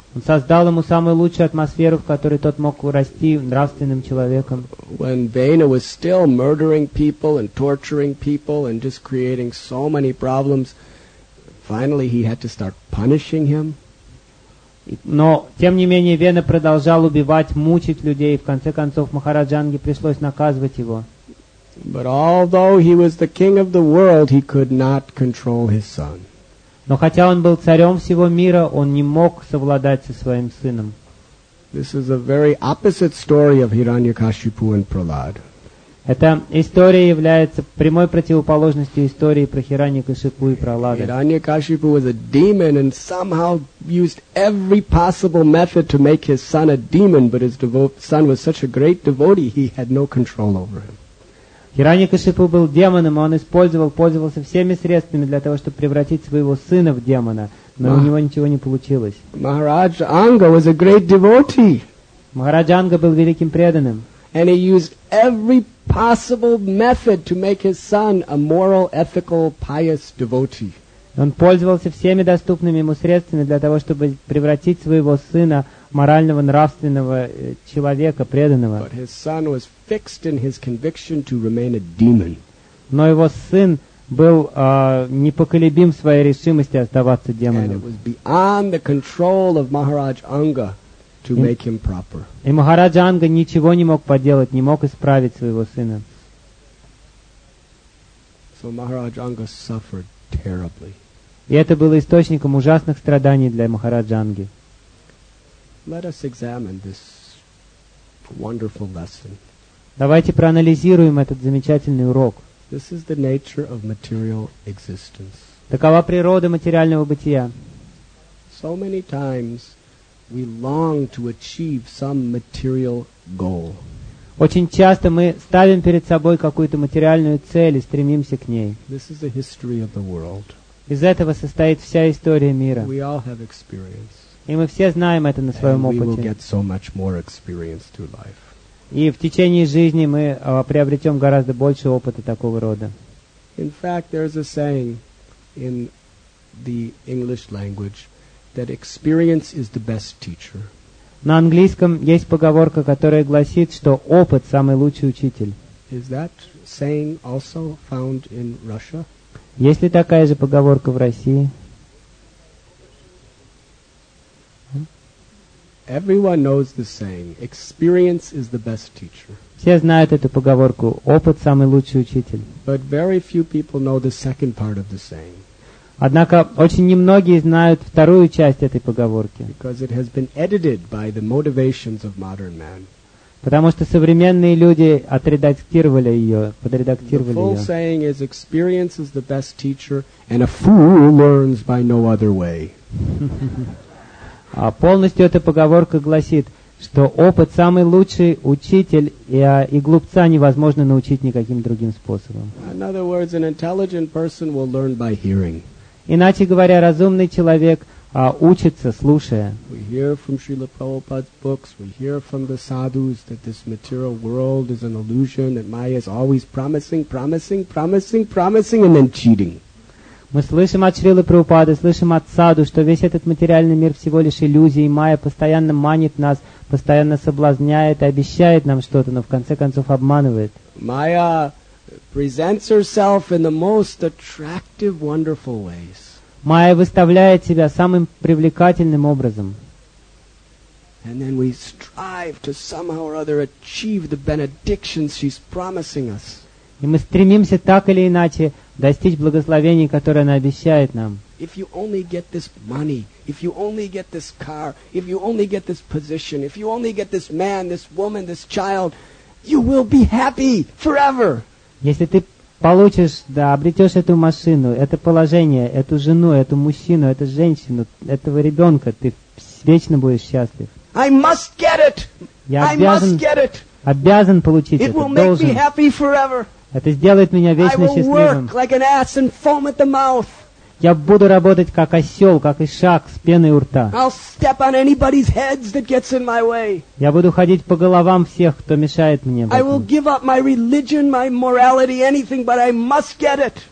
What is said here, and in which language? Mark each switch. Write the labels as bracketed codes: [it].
[ru] Он создал ему самую лучшую атмосферу, в которой тот мог расти нравственным человеком. [en] When Vena was still murdering people and torturing people and just creating so many problems, finally, he had to start punishing him. [ru] Но тем не менее Вена продолжал убивать, мучить людей. И, в конце концов Махараджанге пришлось наказывать его. [en] But although he was the king of the world, he could not control his son. [ru] Но хотя он был царем всего мира, он не мог совладать со своим сыном. [en] This is a very opposite story of Hiranyakashipu and Prahlad. [ru] Эта история является прямой противоположностью истории про Хираньякашипу и Прохлада. [en] Хираньякашипу was a demon and somehow used every possible method to make his son a demon, but his son was such a great devotee, he had no control over him. [ru] Хираньякашипу был демоном, и он пользовался всеми средствами для того, чтобы превратить своего сына в демона, но у него ничего не получилось. [en] Махараджа Анга was a great devotee. [ru] Махараджа Анга был великим преданным. [en] And he used every possible method to make his son a moral, ethical, pious devotee. [ru] Он пользовался всеми доступными ему средствами для того, чтобы превратить своего сына в морального, нравственного человека, преданного. [en] But his son was fixed in his conviction to remain a demon. [ru] Но его сын был непоколебим в своей решимости оставаться демоном. [en] And it was beyond the control of Maharaj Anga to make him proper. [ru] И Махараджа Анга ничего не мог поделать, не мог исправить своего сына. [en] So Maharaj Anga suffered. [ru] И это было источником ужасных страданий для Махараджа Анги. [en] Let us examine this wonderful lesson. [ru] Давайте проанализируем этот замечательный урок. [en] This is the nature of material existence. [ru] Такова природа материального бытия. [en] So many times we long to achieve some material goal. [ru] Очень часто мы ставим перед собой какую-то материальную цель и стремимся к ней. [en] This is the history of the world. [ru] Из этого состоит вся история мира. [en] We all have experience. [ru] И мы все знаем это на своем [en] And [ru] опыте. [en] We will get so much more experience through life. [ru] И в течение жизни мы приобретем гораздо больше опыта такого рода. [en] In fact, there is a saying in the English language that experience is the best teacher. [ru] На английском есть поговорка, которая гласит, что опыт – самый лучший учитель. [en] Is that saying also found in Russia? [ru] Есть ли такая же поговорка в России? [en] Everyone knows the saying. Experience is the best teacher. [ru] Все знают эту поговорку – опыт – самый лучший учитель. [en] But very few people know the second part of the saying. [ru] Однако очень немногие знают вторую часть этой поговорки. [en] Because it has been edited by the motivations of modern man. [ru] Потому что современные люди отредактировали ее, подредактировали ее. [en] The full saying is, experience is the best teacher, and a fool learns by no other way. [ru] А полностью эта поговорка гласит, что опыт – самый лучший учитель, и глупца невозможно научить никаким другим способом. [en] In other words, an intelligent person will learn by hearing. [ru] Иначе говоря, разумный человек учится, слушая. [en] We hear from Srila Prabhupada's books, we hear from the sadhus that this material world is an illusion, that Maya is always promising, and then cheating. [ru] Мы слышим от Шрилы Прабхупады, слышим от саду, что весь этот материальный мир всего лишь иллюзия, и Майя постоянно манит нас, постоянно соблазняет и обещает нам что-то, но в конце концов обманывает. [en] Майя presents herself in the most attractive, wonderful ways. [ru] Майя выставляет себя самым привлекательным образом. [en] And then we strive to somehow or other achieve the benedictions she's promising us. [ru] И мы стремимся так или иначе достичь благословений, которые она обещает нам. [en] If you only get this money, if you only get this car, if you only get this position, if you only get this man, this woman, this child, you will be happy forever. [ru] Если ты получишь, да, обретешь эту машину, это положение, эту жену, эту мужчину, эту женщину, этого ребенка, ты вечно будешь счастлив. [en] I must get it. [ru] Я обязан, [en] I must get it. [ru] Обязан получить [en] it [ru] это, [en] will [ru] должен. [en] Make me happy forever. [ru] Это сделает меня вечно счастливым. [en] Like an ass and foam at the mouth. [ru] Я буду работать как осел, как ишак с пеной у рта. [en] I'll step on anybody's heads that gets in my way. [ru] Я буду ходить по головам всех, кто мешает мне. [en] I will give up my religion, my morality, anything, but I must get it.